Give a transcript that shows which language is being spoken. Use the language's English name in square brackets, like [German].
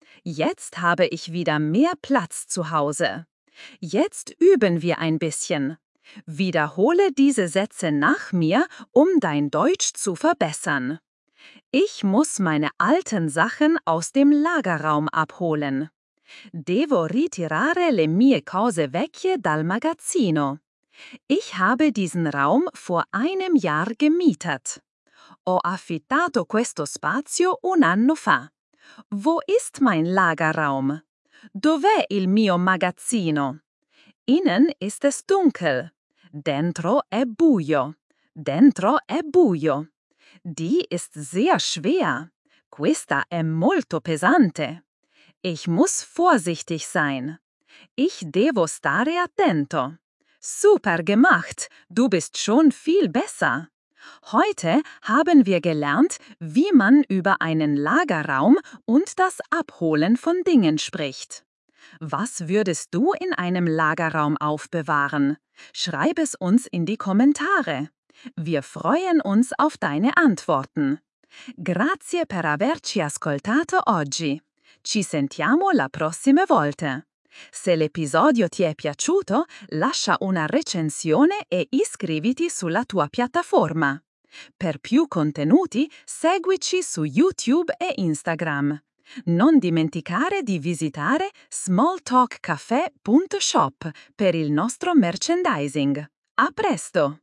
[German] Jetzt habe ich wieder mehr Platz zu Hause. Jetzt üben wir ein bisschen. Wiederhole diese Sätze nach mir, um dein Deutsch zu verbessern. Ich muss meine alten Sachen aus dem Lagerraum abholen. [Italian] Devo ritirare le mie cose vecchie dal magazzino. [German] Ich habe diesen Raum vor einem Jahr gemietet. [Italian] Ho affittato questo spazio un anno fa. [German] Wo ist mein Lagerraum? [Italian] Dov'è il mio magazzino? [German] Innen ist es dunkel. [Italian] Dentro è buio. Dentro è buio. [German] Die ist sehr schwer. [Italian] Questa è molto pesante. [German] Ich muss vorsichtig sein. Ich [Italian] devo stare attento. [German] Super gemacht, du bist schon viel besser. Heute haben wir gelernt, wie man über einen Lagerraum und das Abholen von Dingen spricht. Was würdest du in einem Lagerraum aufbewahren? Schreib es uns in die Kommentare. Wir freuen uns auf deine Antworten. [Italian] Grazie per averci ascoltato oggi. Ci sentiamo la prossima volta. Se l'episodio ti è piaciuto, lascia una recensione e iscriviti sulla tua piattaforma. Per più contenuti, seguici su YouTube e Instagram. Non dimenticare di visitare smalltalkcafe.shop per il nostro merchandising. A presto!